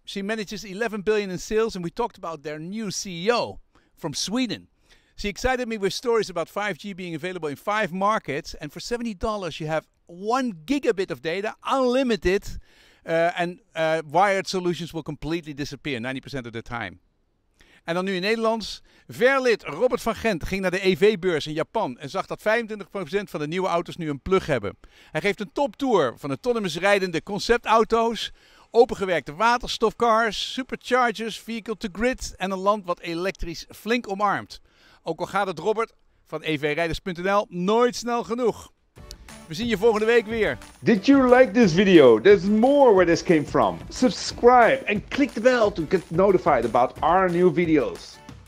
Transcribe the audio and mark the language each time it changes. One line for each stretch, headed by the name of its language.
English: She manages $11 billion in sales, and we talked about their new CEO from Sweden. She excited me with stories about 5G being available in 5 markets, and for $70 you have 1 gigabit of data, unlimited, and wired solutions will completely disappear 90% of the time.
Dutch: En dan nu in Nederlands. Verlid Robert van Gent ging naar de EV-beurs in Japan en zag dat 25% van de nieuwe auto's nu een plug hebben. Hij geeft een toptour van
English: autonomous
Dutch: rijdende conceptauto's, opengewerkte waterstofcars, superchargers,
English: vehicle to grid
Dutch: en een land wat elektrisch flink omarmt. Ook al gaat het Robert van evrijders.nl nooit snel genoeg. We zien je volgende week weer.
English: Did you like this video? There's more where this came from. Subscribe and click the bell to get notified about our new videos.